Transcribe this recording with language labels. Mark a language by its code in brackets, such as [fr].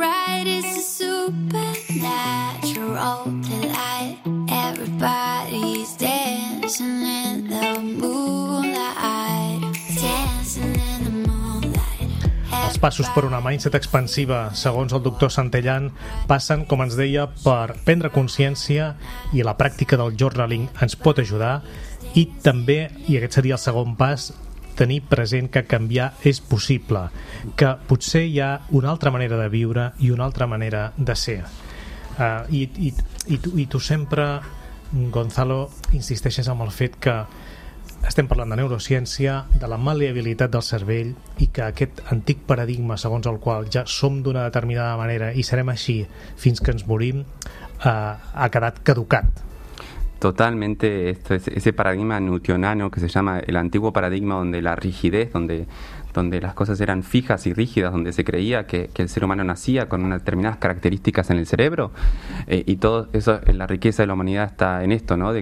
[en] light is a supernatural delight. Everybody's dancing in the moonlight. Dancing in the moonlight. [ca] Els passos per una mindset expansiva, segons el doctor Santellán, passen, com ens deia, per prendre consciència, i la pràctica del journaling ens pot ajudar, i també, i aquest seria el segon pas, tenir present que canviar és possible, que potser hi ha una altra manera de viure i una altra manera de ser. Tu sempre, Gonzalo, insisteixes en el fet que estem parlant de neurociència, de la maleabilitat del cervell, i que aquest antic paradigma segons el qual ja som d'una determinada manera i serem així fins que ens morim, ha quedat caducat. [es] Totalmente, esto es ese paradigma newtoniano que se llama el antiguo paradigma, donde la rigidez, donde las cosas eran fijas y rígidas, donde se creía que el ser humano nacía con unas determinadas características en el cerebro, y todo eso, la riqueza de la humanidad está en esto, ¿no?